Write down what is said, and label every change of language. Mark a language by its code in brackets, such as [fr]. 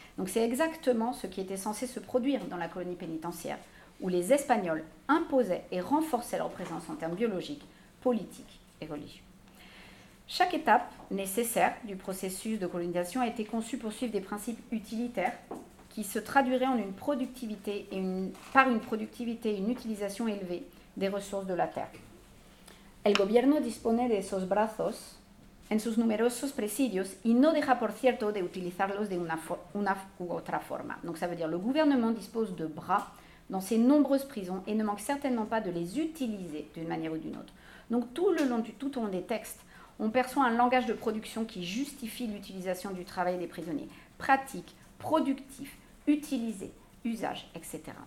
[fr] Donc c'est exactement ce qui était censé se produire dans la colonie pénitentiaire, où les Espagnols imposaient et renforçaient leur présence en termes biologiques, politiques et religieux. Chaque étape nécessaire du processus de colonisation a été conçue pour suivre des principes utilitaires qui se traduiraient en une productivité et une utilisation élevée des ressources de la terre. [es] El gobierno dispone de esos brazos en sus numerosos presidios y no deja, por cierto, de utilizarlos de una u otra forma. [fr] Donc ça veut dire le gouvernement dispose de bras dans ses nombreuses prisons et ne manque certainement pas de les utiliser d'une manière ou d'une autre. Donc tout au long des textes, on perçoit un langage de production qui justifie l'utilisation du travail des prisonniers. Pratique, productif, utilisé, usage, etc.